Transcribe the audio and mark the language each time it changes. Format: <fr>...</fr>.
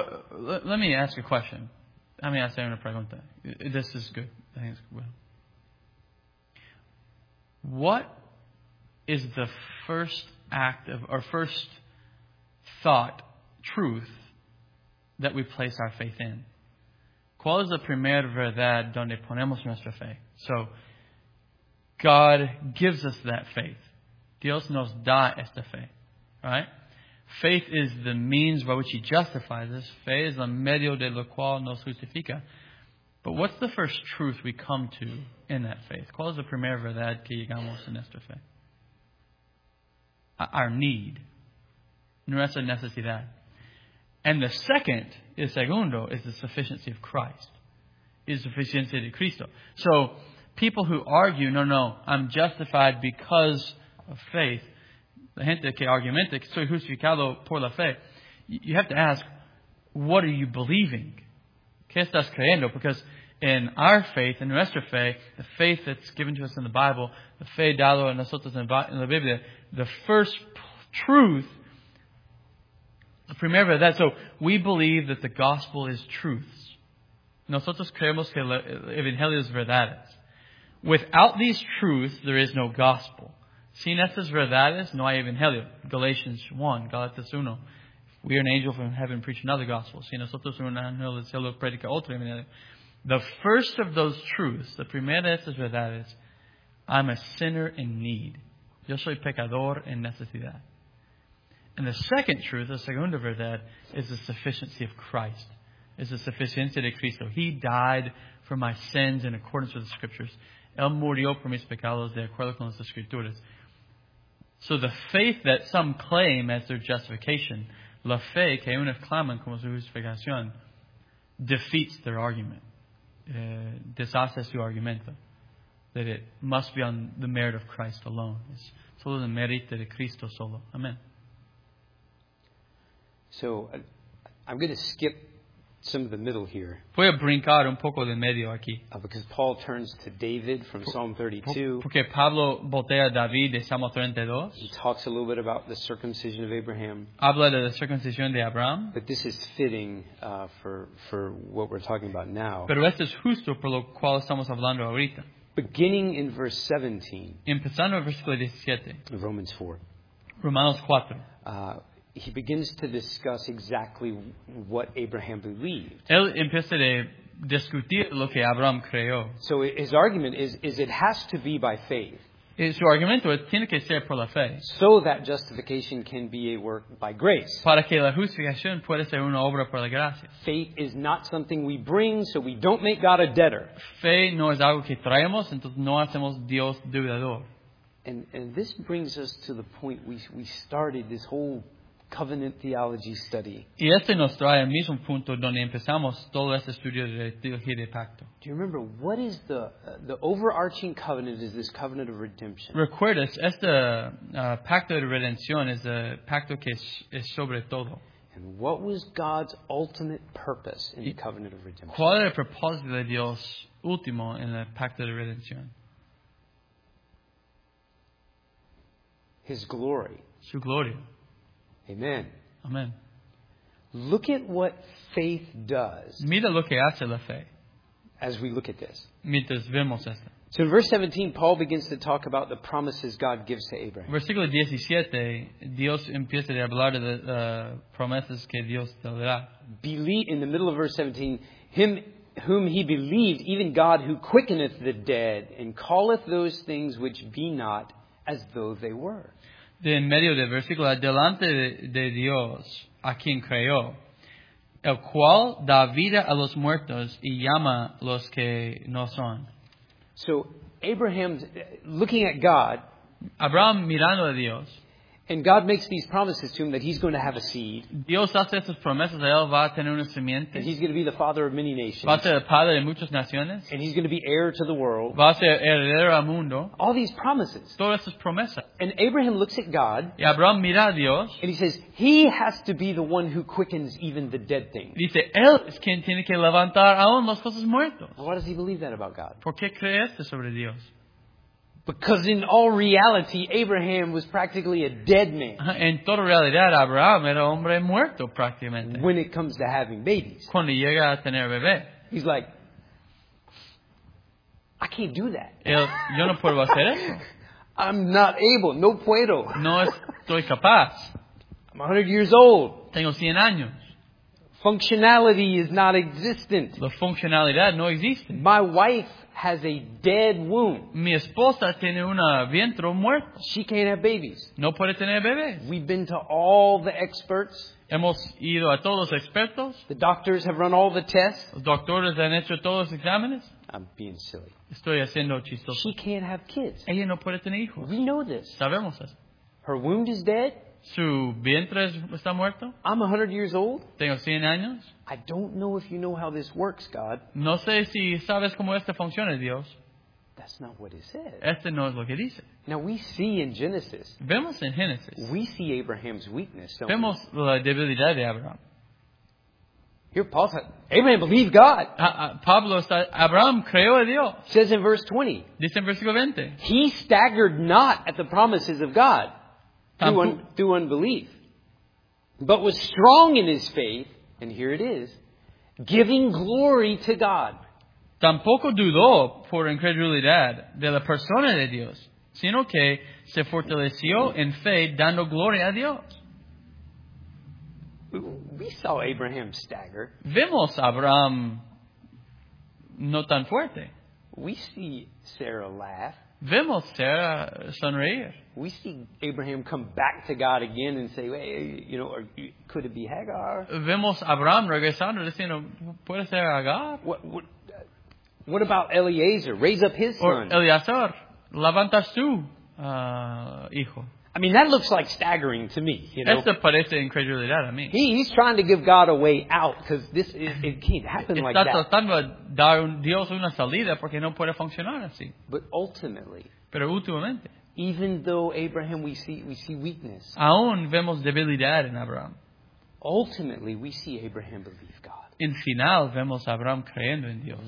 <en>Let me ask a question. Let me ask</en> <es>una pregunta.</es> <en>This is good. I think it's good. What is the first act of, or first thought, truth, that we place our faith in?</en> <es>¿Cuál es la primera verdad donde ponemos nuestra fe?</es> <en>So, God gives us that faith.</en> <es>Dios nos da esta fe. Right?</es> <en>Faith is the means by which he justifies us.</en> <es>Fe es el medio de lo cual nos justifica.</es> <en>But what's the first truth we come to in that faith?</en> <es>¿Cuál es la primera verdad que llegamos en esta fe?</es> <en>Our need.</en> <es>Nuestra necesidad.</es> <en>And the second,</en> <es>el segundo,</es> <en>is the sufficiency of Christ. Is sufficiency</en> <es>de Cristo.</es> <en>So, people who argue, no, I'm justified because of faith.</en> <es>La gente que argumenta, que soy justificado por la fe.</es> <en>You have to ask, what are you believing?</en> <es>¿Qué estás creyendo?</es> <en>Because in our faith, in</en> <es>nuestra fe,</es> <en>the faith that's given to us in the Bible, the</en> <es>fe dado a nosotros en la Biblia,</es> <en>the first truth, the</en> <es>primera verdad.</es> <en>So, we believe that the gospel is truth.</en> <es>Nosotros creemos que el evangelio es verdad.</es> <en>Without these truths, there is no gospel.</en> <es>Sin estas verdades, no hay evangelio. Galatians 1, Galatians 1.</es> <en>We are an angel from heaven preaching another gospel.</en> <es>Si nosotros un ángel del cielo predica otro evangelio.</es> <en>The first of those truths, the</en> <es>primera de esas verdades,</es> <en>I'm a sinner in need.</en> <es>Yo soy pecador en necesidad.</es> <en>And the second truth, the</en> <es>segunda verdad,</es> <en>is the sufficiency of Christ. Is the</en> <es>suficiencia de Cristo.</es> <en>He died for my sins in accordance with the Scriptures.</en> <es>Él murió por mis pecados de acuerdo con las Escrituras.</es> <en>So the faith that some claim as their justification,</en> <es>la fe que unos claman como su justificación,</es> <en>defeats their argument.</en> <es>Deshace su argumento.</es> <en>That it must be on the merit of Christ alone.</en> <es>It's solo el mérito de Cristo solo. Amen.</es> <en>So, I'm going to skip some of the middle here.</en> <es>Voy a brincar un poco de medio aquí.</es> <en>Because Paul turns to David from Psalm 32.</en> <es>Porque Pablo voltea a David de Salmo 32.</es> <en>He talks a little bit about the circumcision of Abraham.</en> <es>Habla de la circuncisión de Abraham.</es> <en>But this is fitting for what we're talking about now.</en> <es>Pero esto es justo por lo cual estamos hablando ahorita.</es> <en>Beginning in verse 17.</en> <es>Empezando en versículo 17.</es> <en>Of Romans 4.</en> <es>Romanos 4.</es> <en>He begins to discuss exactly what Abraham believed.</en> <es>Él empieza a discutir lo que Abraham creyó.</es> <en>So his argument is it has to be by faith.</en> <es>Su argumento es tiene que ser por la fe.</es> <en>So that justification can be a work by grace.</en> <es>Para que la justificación pueda ser una obra por la gracia.</es> <en>Faith is not something we bring, so we don't make God a debtor.</en> <es>Fe no es algo que traemos, entonces no hacemos Dios deudor.</es> <en>And this brings us to the point we started this whole covenant theology study.</en> <es>Y este nos trae al mismo punto donde empezamos todo este estudio de teología de pacto.</es> <en>Do you remember what is the overarching covenant? Is this covenant of redemption?</en> <es>Recuerdas, este pacto de redención es el pacto que es sobre todo.</es> <en>And what was God's ultimate purpose in the covenant of redemption?</en> <es>¿Cuál era el propósito de Dios último en el pacto de redención?</es> <en>His glory.</en> <es>Su gloria. Amen. Amen.</es> <en>Look at what faith does.</en> <es>Mira lo que hace la fe.</es> <en>As we look at this.</en> <es>Mientras vemos esto.</es> <en>So in verse 17, Paul begins to talk about the promises God gives to Abraham.</en> <es>Versículo 17, Dios empieza a hablar de las promesas que Dios te da.</es> <en>Believe, in the middle of verse 17, him whom he believed, even God who quickeneth the dead and calleth those things which be not as though they were.</en> <es>En medio del versículo, delante de Dios, a quien creyó, el cual da vida a los muertos y llama los que no son.</es> <en>So, Abraham's looking at God.</en> <es>Abraham mirando a Dios.</es> <en>And God makes these promises to him that he's going to have a seed.</en> <es>Dios hace esas promesas a él, va a tener una simiente.</es> <en>And he's going to be the father of many nations.</en> <es>Va a ser el padre de muchas naciones.</es> <en>And he's going to be heir to the world.</en> <es>Va a ser heredero al mundo.</es> <en>All these promises.</en> <es>Todas esas promesas.</es> <en>And Abraham looks at God.</en> <es>Y Abraham mira a Dios.</es> <en>And he says, he has to be the one who quickens even the dead things.</en> <es>Dice, él es quien tiene que levantar aún las cosas muertas.</es> <en>Why does he believe that about God?</en> <es>¿Por qué cree esto sobre Dios?</es> <en>Because in all reality, Abraham was practically a dead man.</en> <es>En toda realidad, Abraham era hombre muerto prácticamente.</es> <en>When it comes to having babies.</en> <es>Cuando llega a tener bebé.</es> <en>He's like, I can't do that.</en> <es>Yo no puedo hacer eso.</es> <en>I'm not able.</en> <es>No puedo. No estoy capaz.</es> <en>I'm 100 years old.</en> <es>Tengo 100 años.</es> <en>Functionality is not existent.</en> <es>La funcionalidad no existe.</es> <en>My wife has a dead womb.</en> <es>Mi esposa tiene un vientre muerto.</es> <en>She can't have babies.</en> <es>No puede tener bebés.</es> <en>We've been to all the experts.</en> <es>Hemos ido a todos los expertos.</es> <en>The doctors have run all the tests.</en> <es>Los doctores han hecho todos los exámenes.</es> <en>I'm being silly.</en> <es>Estoy haciendo chistoso.</es> <en>She can't have kids.</en> <es>Ella no puede tener hijos.</es> <en>We know this.</en> <es>Sabemos eso.</es> <en>Her womb is dead.</en> <es>Su vientre está muerto.</es> <en>I'm 100 years old.</en> <es>Tengo 100 años.</es> <en>I don't know if you know how this works, God.</en> <es>No sé si sabes cómo esto funciona, Dios.</es> <en>That's not what it says.</en> <es>Este no es lo que dice.</es> <en>Now we see in Genesis.</en> <es>Vemos en Génesis.</es> <en>We see Abraham's weakness. Don't</en> <es>vemos</es> <en>we?</en> <es>La debilidad de Abraham.</es> <en>Here Paul said, Abraham believed God.</en> <es>Pablo está, Abraham creyó a Dios.</es> <en>Says in verse 20.</en> <es>Dice en versículo 20.</es> <en>He staggered not at the promises of God. Through unbelief. But was strong in his faith, and here it is, giving glory to God.</en> <es>Tampoco dudó por incredulidad de la persona de Dios, sino que se fortaleció en fe dando gloria a Dios.</es> <en>We saw Abraham stagger.</en> <es>Vimos a Abraham no tan fuerte.</es> <en>We see Sarah laugh.</en> <es>Vemos Sarah sonreír.</es> <en>We see Abraham come back to God again and say, "Hey, you know, or could it be Hagar?"</en> <es>Vemos Abraham regresando diciendo, "Puede ser Hagar?"</es> <en>What about Eliezer? Raise up his son.</en> <es>Or Eliezer, levanta su hijo.</es> <en>I mean, that looks like staggering to me. You know,</en> <es>esto parece incredulidad a mí.</es> <en>He's trying to give God a way out because it can't happen like that.</en> <es>Está tratando de dar a Dios una salida porque no puede funcionar así.</es> <en>But ultimately,</en> <es>pero últimamente,</es> <en>even though Abraham we see weakness,</en> <es>aún vemos debilidad en Abraham.</es> <en>Ultimately, we see Abraham believe God.</en> <es>En final vemos a Abraham creyendo en Dios.</es>